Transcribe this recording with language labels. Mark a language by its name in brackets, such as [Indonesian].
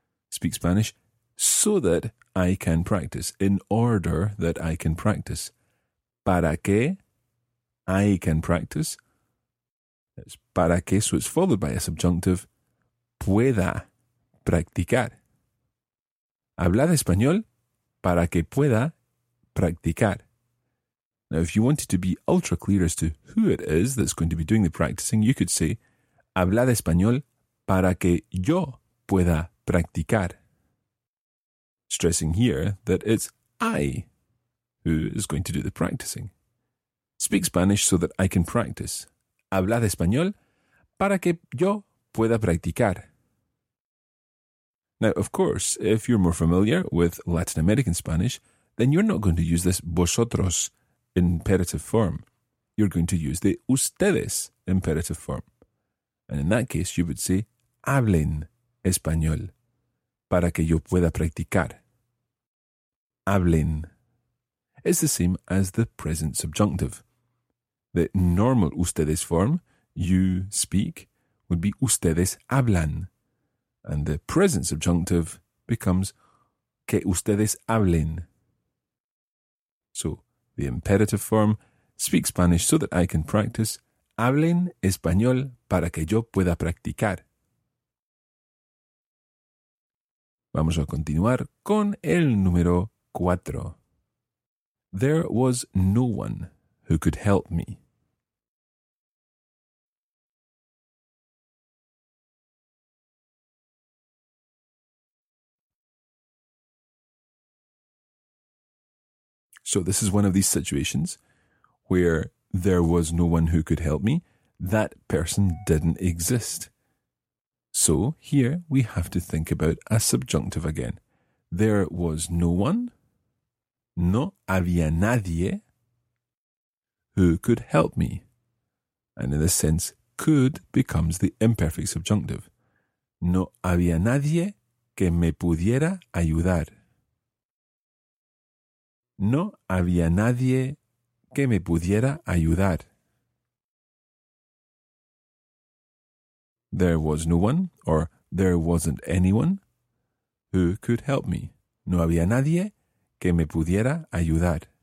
[English] Speak Spanish so that I can practice, in order that I can practice. [Spanish] ¿Para qué? [English] I can practice. It's [Spanish] ¿para qué? [English] So it's followed by a subjunctive. [Spanish] ¿Pueda practicar? Hablar español para que pueda practicar. [English] Now, if you wanted to be ultra clear as to who it is that's going to be doing the practicing, you could say, [Spanish] hablar español para que yo pueda practicar. [English] Stressing here that it's I who is going to do the practicing. Speak Spanish so that I can practice. [Spanish] Habla español para que yo pueda practicar. [English] Now, of course, if you're more familiar with Latin American Spanish, then you're not going to use this vosotros imperative form. You're going to use the ustedes imperative form. And in that case, you would say, [Spanish] hablen español para que yo pueda practicar. [English] Hablen is the same as the present subjunctive. The normal ustedes form, you speak, would be [Spanish] ustedes hablan. [English] And the present subjunctive becomes [Spanish] que ustedes hablen. [English] So, the imperative form, speak Spanish so that I can practice. [Spanish] Hablen español para que yo pueda practicar. Vamos a continuar con el número 4. [English] There was no one who could help me. So this is one of these situations where there was no one who could help me. That person didn't exist. So here we have to think about a subjunctive again. There was no one. [Spanish] No había nadie [English] who could help me. And in this sense, could becomes the imperfect subjunctive. [Spanish] No había nadie que me pudiera ayudar. No había nadie que me pudiera ayudar. [English] There was no one, or there wasn't anyone, who could help me. [Spanish] No había nadie que me pudiera ayudar.